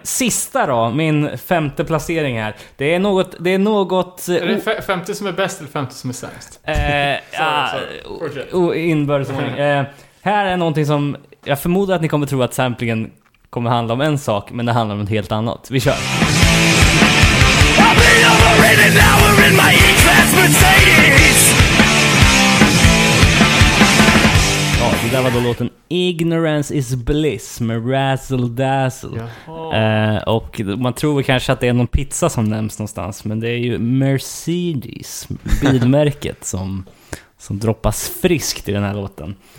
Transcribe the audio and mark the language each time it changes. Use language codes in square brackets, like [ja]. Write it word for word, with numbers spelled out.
[sv] Sista då, min femte placering här. Det är något... Det är, något, är det f- femte som är bäst eller femte som är sämst? Eh, sorry, sorry. O- inbördes ordning. eh, Här är någonting som... Jag förmodar att ni kommer tro att samplingen kommer handla om en sak, men det handlar om något helt annat. Vi kör. [en] I'll be overrated now, we're in my E-class Mercedes. [sv] Ja, det där var då låten Ignorance is Bliss med Razzle Dazzle. Eh, och man tror kanske att det är någon pizza som nämns någonstans, men det är ju Mercedes, bilmärket som, som droppas friskt i den här låten.